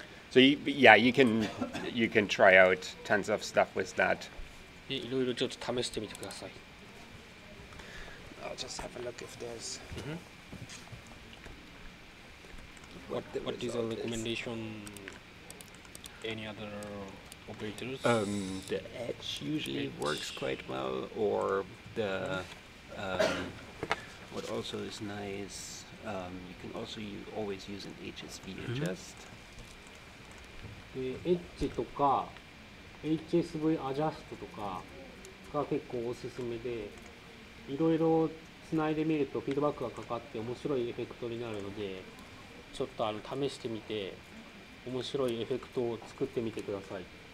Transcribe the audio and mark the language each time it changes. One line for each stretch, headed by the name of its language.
English: So yeah, you can try out tons of stuff with that.
Japanese: いろいろちょっと試してみてください。
English: I'll just have a look if there's what is the recommendation is. Any other operators? The edge usually edge. Works quite well, or the what also is nice, you can also always use an HSV adjust.
Japanese: Edge とか HSV adjust とかが結構おすすめで、いろいろつないでみるとフィードバックがかかって面白いエフェクトになるので、ちょっと試してみて面白いエフェクトを作ってみてください。